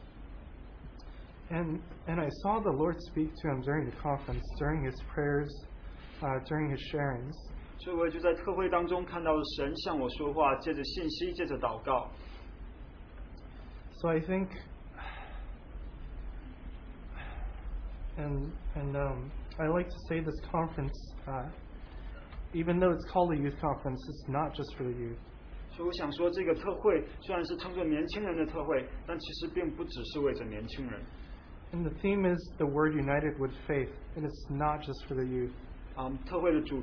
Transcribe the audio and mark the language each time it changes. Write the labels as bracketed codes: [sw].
[zh] 他并没有给一个肯定的回答。 [en] And I saw the Lord speak to him during the conference, during his prayers, during his sharings. [zh] 所以我就在特会当中看到神向我说话，借着信息，借着祷告。 [en] So I think. And I like to say this conference, even though it's called a youth conference, it's not just for the youth. [zh] 所以我想说这个特会虽然是称作年轻人的特会，但其实并不只是为着年轻人。 [en] And the theme is the word united with faith, and it's not just for the youth.